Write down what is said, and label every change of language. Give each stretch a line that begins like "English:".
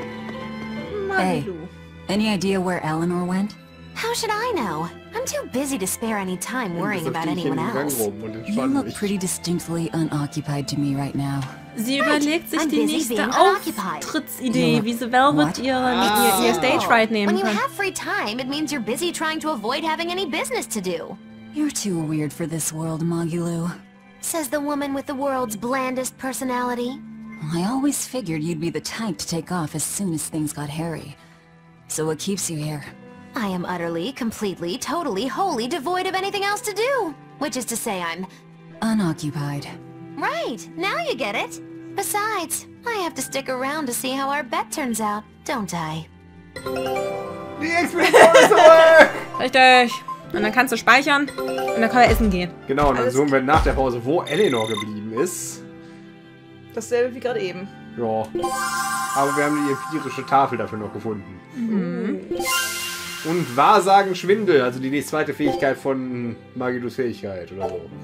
English: Hey, any idea where Eleanor went? How should I know? I'm too busy to spare any time worrying about anyone else. You look pretty distinctly unoccupied to me right now.
German: Sie überlegt sich die nächste Auftrittsidee, wie sie Velvet ihr Stage Fright nehmen kann.
English: When you have free time, it means you're busy trying to avoid having any business to do. You're too weird for this world, Mogulu. Says the woman with the world's blandest personality. I always figured you'd be the type to take off as soon as things got hairy. So what keeps you here? I am utterly, completely, totally, wholly devoid of anything else to do. Which is to say I'm... unoccupied. Right, now you get it. Besides, I have to stick around to see how our bet turns out, don't I?
German: Die Expedition ist zurück! Richtig. Und dann kannst du speichern und dann kann er essen gehen. Genau, und dann zoomen wir nach der Pause, wo Eleanor geblieben ist. Dasselbe wie gerade eben. Ja. Aber wir haben die empirische Tafel dafür noch gefunden. Und Wahrsagen Schwindel, also die zweite Fähigkeit von Magidus Fähigkeit oder so.